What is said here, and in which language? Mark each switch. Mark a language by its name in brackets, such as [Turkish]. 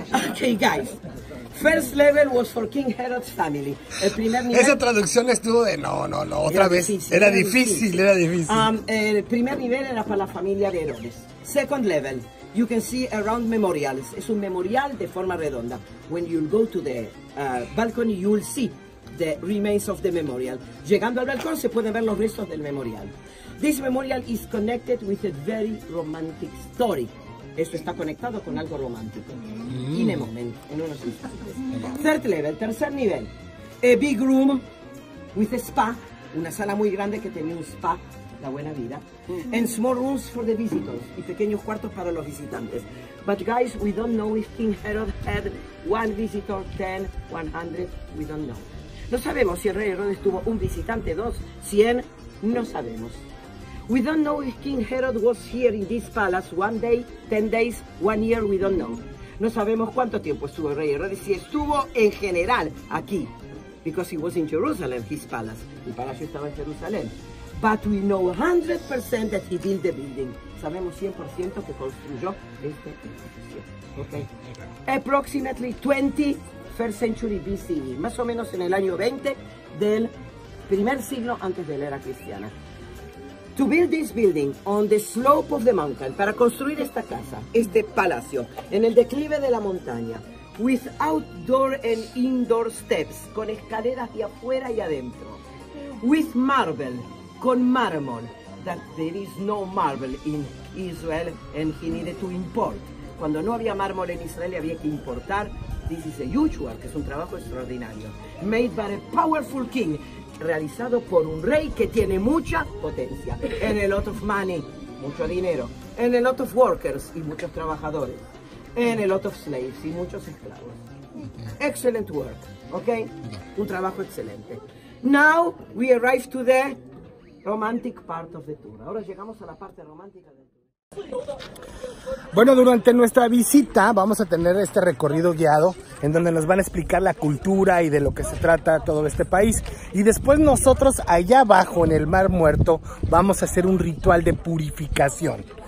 [English] Okay, guys. First level was for King Herod's family. [Spanish] El primer nivel. Esa traducción estuvo de no, otra vez. Era difícil. El primer nivel era para la familia de Herodes. [English] Second level, you can see around memorials. [Spanish] Es un memorial de forma redonda. [English] When you go to the balcony, you'll see the remains of the memorial. [Spanish] Llegando al balcón, se pueden ver los restos del memorial. [English] This memorial is connected with a very romantic story. [Spanish] Esto está conectado con algo romántico. [English] In a moment, [Spanish] en unos instantes. [English] Third level, [Spanish] tercer nivel. [English] A big room with a spa. [Spanish] Una sala muy grande que tenía un spa, la buena vida. [English] And small rooms for the visitors. [Spanish] Y pequeños cuartos para los visitantes. [English] But guys, we don't know if King Herod had one visitor, 10, 100. We don't know. [Spanish] No sabemos si el rey Herodes tuvo un visitante, dos, cien, no sabemos. [English] We don't know if King Herod was here in this palace one day, 10 days, 1 year, we don't know. [Spanish] No sabemos cuánto tiempo estuvo el rey Herodes, si estuvo en general aquí. [English] Because he was in Jerusalem, his palace. [Spanish] El palacio estaba en Jerusalén. [English] But we know 100% that he built the building. [Spanish] Sabemos 100% que construyó esta institución. Okay. [English] Approximately 21st century BCE. [Spanish] Más o menos en el año 20 del primer siglo antes de la era cristiana. [English] To build this building on the slope of the mountain. [Spanish] Para construir esta casa, este palacio, en el declive de la montaña. [English] With outdoor and indoor steps, [Spanish] con escaleras de afuera y adentro. [English] With marble, [Spanish] con mármol, [English] that there is no marble in Israel and he needed to import. [Spanish] Cuando no había mármol en Israel y había que importar, [English] this is a huge work, [Spanish] que es un trabajo extraordinario. [English] Made by a powerful king, [Spanish] realizado por un rey que tiene mucha potencia. [English] And a lot of money, [Spanish] mucho dinero. [English] And a lot of workers, [Spanish] y muchos trabajadores. En el lot of slaves y muchos esclavos. [English] Excellent work, okay? [Spanish] Un trabajo excelente. [English] Now we arrive to the romantic part of the tour. [Spanish] Ahora llegamos a la parte romántica del tour. Bueno, durante nuestra visita vamos a tener este recorrido guiado en donde nos van a explicar la cultura y de lo que se trata todo este país. Y después nosotros allá abajo en el Mar Muerto vamos a hacer un ritual de purificación.